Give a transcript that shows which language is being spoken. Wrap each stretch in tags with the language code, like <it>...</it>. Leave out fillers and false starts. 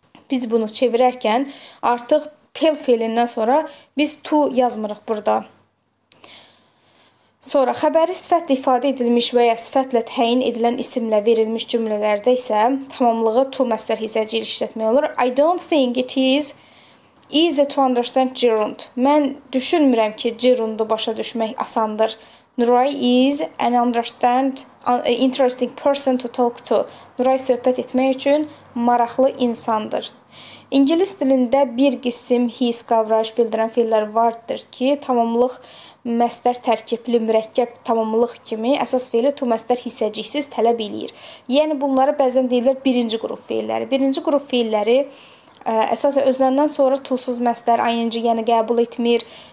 <az>Biz bunu çevirərkən artıq tell fiilindən sonra biz to yazmırıq burada. Sonra xəbəri sifətlə ifadə edilmiş və ya sifətlə təyin edilən isimlə verilmiş cümlələrdə isə tamamlığı to məsdər hissəciyi işlətmək olur.</az> <en>I don't think it is easy to understand gerund.</en> <az>Mən düşünmürəm ki, gerundu başa düşmək asandır.</az> <en>Nuray is an understand interesting person to talk to.</en> <az>Nuray söhbət etmək üçün maraqlı insandır. İngilis dilində bir qisim his qavrayış bildirən fiillər vardır ki, tamamlıq məsdər tərkibli mürəkkəb tamamlıq kimi əsas fiili to məsdər hissəciksiz tələb eləyir. Yəni, bunları bəzən deyirlər birinci qrup fiilləri. Birinci qrup fiilləri əsasən özləndən sonra tulsuz məsdər, ayıncı, yəni qəbul etmir.</az>